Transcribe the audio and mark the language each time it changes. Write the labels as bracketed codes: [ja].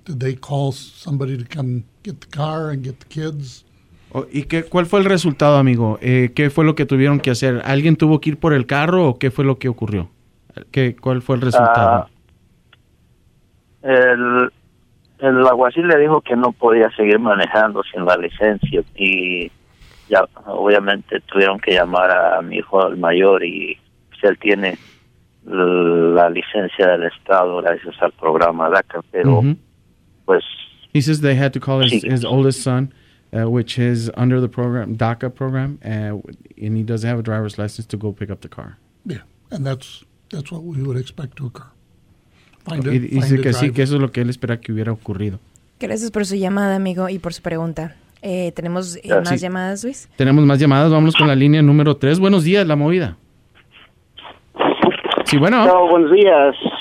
[en] Did they call somebody to come get the car and get the kids? [es] ¿Y cuál fue el resultado, amigo? ¿Qué fue lo que tuvieron que hacer? ¿Alguien tuvo que ir por el carro o qué fue lo que ocurrió? ¿Cuál fue el resultado? El alguacil le dijo que no podía seguir manejando sin la licencia y ya obviamente tuvieron que llamar a mi hijo, al mayor, y si él tiene la licencia del estado gracias al programa DACA, pero pues... [en] He says they had to call his oldest son, which is under the program, DACA program, and he doesn't have a driver's license to go pick up the car. Yeah, and that's what we would expect to occur. [es] Dice que sí, que eso es lo que él espera que hubiera ocurrido. Gracias por su llamada, amigo, y por su pregunta. ¿Tenemos más llamadas, Luis? Tenemos más llamadas. Vámonos con la línea número 3. Buenos días, La Movida. Sí, bueno. No, buenos días.